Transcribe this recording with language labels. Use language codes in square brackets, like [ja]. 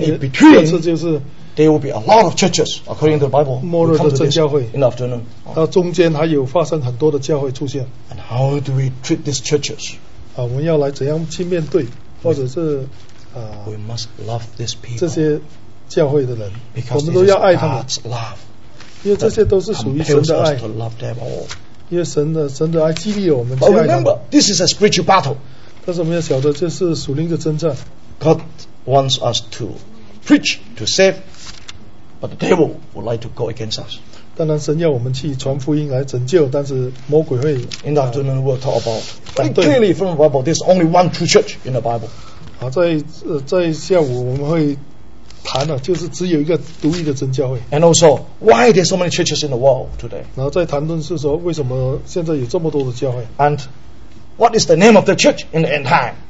[en] and in between, [zh] 第二次就是 [en] there will be a lot of churches according to the Bible. [zh] 末日的真教会 [en] in the afternoon. [zh] 到中间还有发生很多的教会出现。 [en] And how do we treat these churches? [zh] 我们要来怎样去面对，或者是 [en] We must love these people, [zh] 这些教会的人， [en] because、 [zh] 我们都要爱他们， [en] God's love, [zh] 因为这些都是属于神的爱。 [en] To love them all. [zh] 因为神的爱激励我们去爱他们。 [en] But remember, this is a spiritual battle. [zh] 但是我们要晓得，这是属灵的征战。 [en] God wants us to preach, to save, But the devil would like to go against us. [zh] 当然神要我们去传福音来拯救, 但是魔鬼会, [en] in the afternoon we'll talk about very clearly from the Bible, there's only one true church in the Bible. [zh] 在下午我们会谈了，就是只有一个独一的真教会。 [en] And also, why there's so many churches in the world today? [zh] 然后再谈论是说为什么现在有这么多的教会。 [en] And what is the name of the church in the end time?